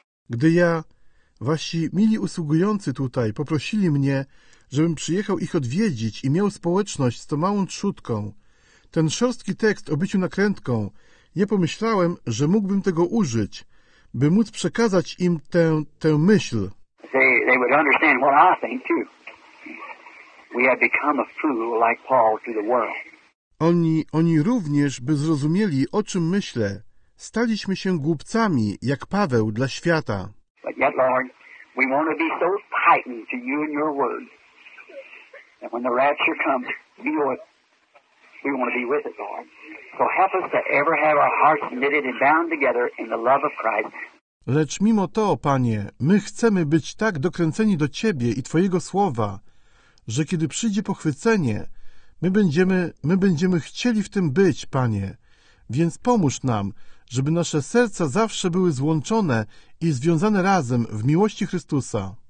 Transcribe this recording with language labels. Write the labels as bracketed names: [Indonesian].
[Polish] Gdy ja, wasi mili usługujący tutaj, poprosili mnie, żebym przyjechał ich odwiedzić i miał społeczność z tą małą trzutką, ten szorstki tekst o byciu nakrętką, ja pomyślałem, że mógłbym tego użyć, by móc przekazać im tę myśl. [English] They would understand what I think too. We have become a fool like Paul to the world. [Polish] Oni również by zrozumieli, o czym myślę. Staliśmy się głupcami, jak Paweł dla świata. [English] But yet, Lord, we want to be so tightened to you and your word that when the rapture comes, we want to be with it, Lord. So help us to ever have our hearts knitted and bound together in the love of Christ. [Polish] Lecz mimo to, Panie, my chcemy być tak dokręceni do Ciebie i Twojego Słowa, że kiedy przyjdzie pochwycenie, my będziemy chcieli w tym być, Panie. Więc pomóż nam, żeby nasze serca zawsze były złączone i związane razem w miłości Chrystusa.